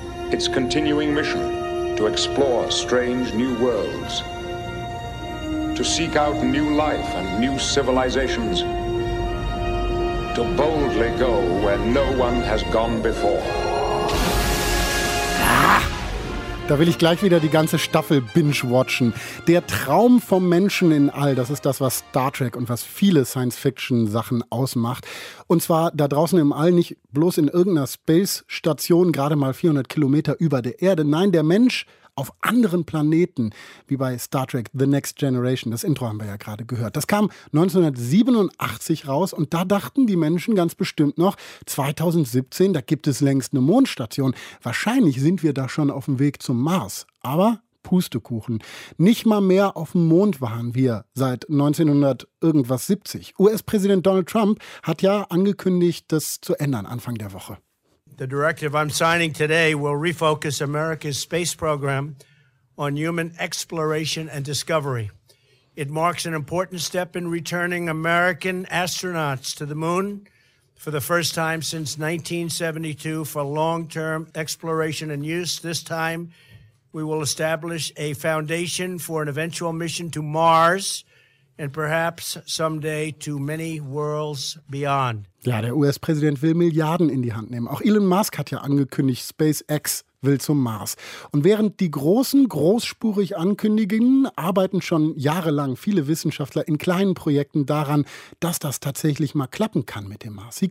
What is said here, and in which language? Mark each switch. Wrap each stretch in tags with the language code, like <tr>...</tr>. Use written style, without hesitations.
<en>Its continuing mission, to explore strange new worlds. To seek out new life and new civilizations. To boldly go where no one has gone before.</en> <de>Da will ich gleich wieder die ganze Staffel binge-watchen. Der Traum vom Menschen in All, das ist das, was Star Trek und was viele Science-Fiction-Sachen ausmacht. Und zwar da draußen im All, nicht bloß in irgendeiner Space-Station, gerade mal 400 Kilometer über der Erde. Nein, der Mensch auf anderen Planeten, wie bei Star Trek The Next Generation. Das Intro haben wir ja gerade gehört. Das kam 1987 raus und da dachten die Menschen ganz bestimmt noch, 2017, da gibt es längst eine Mondstation. Wahrscheinlich sind wir da schon auf dem Weg zum Mars. Aber Pustekuchen. Nicht mal mehr auf dem Mond waren wir seit 1970. US-Präsident Donald Trump hat ja angekündigt, das zu ändern Anfang der Woche.</de> <en>The directive I'm signing today will refocus America's space program on human exploration and discovery. It marks an important step in returning American astronauts to the moon for the first time since 1972 for long-term exploration and use. This time, we will establish a foundation for an eventual mission to Mars and perhaps someday to many worlds beyond.</en> <de>Ja, der US-Präsident will Milliarden in die Hand nehmen. Auch Elon Musk hat ja angekündigt, SpaceX will zum Mars. Und während die Großen großspurig ankündigen, arbeiten schon jahrelang viele Wissenschaftler in kleinen Projekten daran, dass das tatsächlich mal klappen kann mit dem Mars.</de>